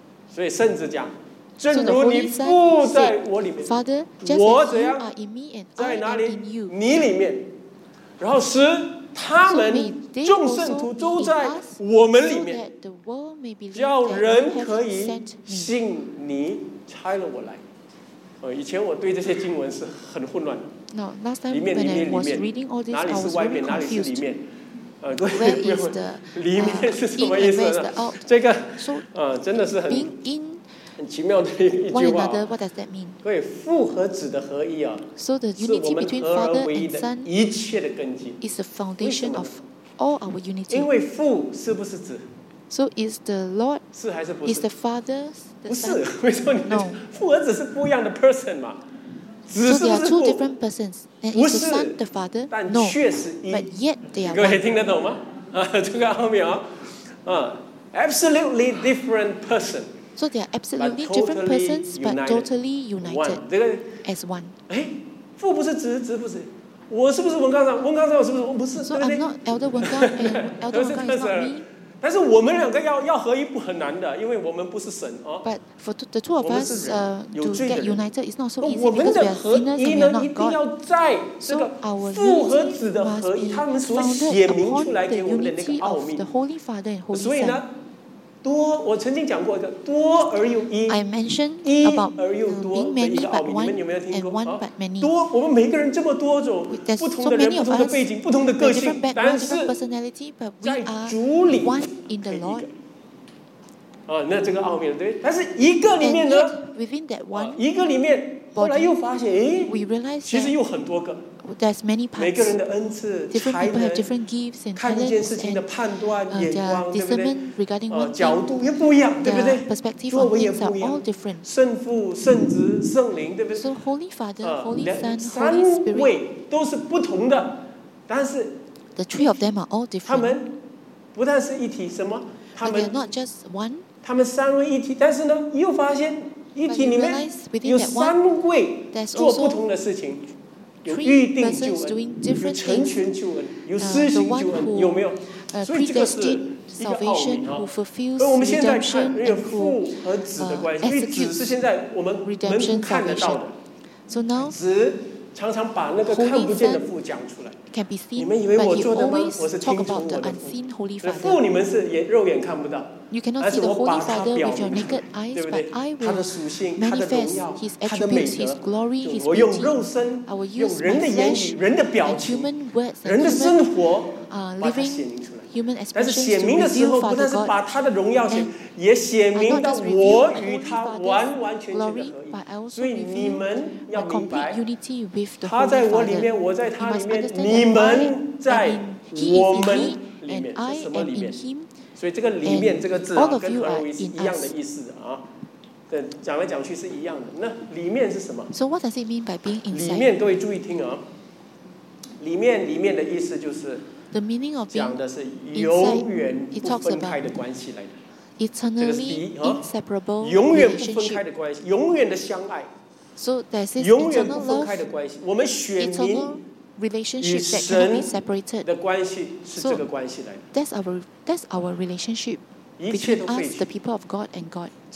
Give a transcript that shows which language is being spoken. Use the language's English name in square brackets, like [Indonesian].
[English] So the Holy Son said, Father, just as you are in me and I am in you. [Chinese] 你里面, 然后使他们, [English] so may they also be in us, so that the world may believe that I have [Chinese] 叫人可以信你差了我来。以前我对这些经文是很混乱的。 [English] Now, last time 里面, when [Chinese] 里面, [English] I was reading all this, [Chinese] 哪里是外面, [English] I was really confused. Where is the in and where is the out? [Chinese] 这个, [English] so, [Chinese] 真的是很, [English] being in [Chinese] 很奇妙的一句话, [English] another, what does that mean? [Chinese] 各位, 父和子的合一啊, [English] so the unity between Father and Son is the foundation of all our unity. [Chinese] 因为父是不是子? [English] So is the Lord, [Chinese] 是还是不是? [English] Is the Father the Son? [Chinese] 不是,为什么你, [English] no. [Chinese] 父和子是不一样的 person 嘛? [English] So they are two different persons. And is the Son the Father? [Chinese] 但确实一, [English] no. But yet they are [Chinese] 各位听得懂吗?这个奥妙, [English] absolutely different person. So they are absolutely totally different persons, but united, totally united one. As one. [Chinese] 诶, 父不是子不是, 我是不是文刚长, 文刚长我是不是, 我不是, [English] so [Chinese] 对不对? [English] I'm not Elder Wen Gang, and Elder Wen Gang is not me. [Chinese] 但是我们两个要合一不很难的, 因为我们不是神, [English] but for the two of us to get united is not so easy, [Chinese] 我们的合一呢, [English] because we are sinners and we are not God. [Chinese] 一定要在这个父和子的合一, [English] so our unity must be founded upon the unity of the Holy Father and Holy Son. [Chinese] 所以呢, 我曾经讲过的多而又一 [English] I mentioned [Chinese] 一 [English] about [Chinese] 而又多 [English] being many but one [Chinese] 有没有听过 [English] and one but many [Chinese] 多我们每个人这么多种 [English] There's [Chinese] 不同的人、 [English] so、 [Chinese] 不同的背景不同的个性 [English] different different personality, [Chinese] 但是在主里 [English] one in the Lord、 [Chinese] 那这个奥秘对但是一个里面呢 [English] within that one、 [Chinese] 一个里面 [English] body, [Chinese] 后来又发现 [English] we realize [Chinese] 其实有很多个 [English] There's many parts. Different people have different gifts and talents and their discernment regarding one thing. Their perspective on things are all different. [Chinese] 圣父、圣子、圣灵，对不对？ [English] So Holy Father, Holy Son, Holy Spirit. [Chinese] 三位都是不同的，但是 [English] the three of them are all different. [Chinese] 他们不但是一体什么？他们 [English] they are not just one. [Chinese] 他们三位一体，但是呢，又发现一体里面有三位做不同的事情。 [English] Three persons doing different things. The one who predestined salvation, who fulfills redemption, and who executes redemption salvation. So now, Holy Son can be seen, but you always talk about the unseen Holy Father. You cannot see the Holy Father with your naked eyes, but I will manifest His attributes, His glory, His beauty. I will use my flesh and human words and living human expressions to reveal Father God. But not just reveal my Holy Father's glory, but I also reveal my complete unity with the Holy Father. You must understand that I am in Him, He is in me, and I am in Him. [Chinese] 所以这个里面这个字、跟 always 一样的意思啊，对，讲来讲去是一样的。那里面是什么 [English] ？So what does it mean by being inside？ [Chinese] 里面各位注意听啊，里面的意思就是 [English] the meaning of [Chinese] 讲的是永远不分开的关系来的 [English] ，eternally inseparable， [Chinese] 永远不分开的关系，永远的相爱。 [English] So there's this [Chinese] 永远不分开的关系。我们选民。 [English] Relationship that can be separated. So that's our relationship between us, the people of God and God.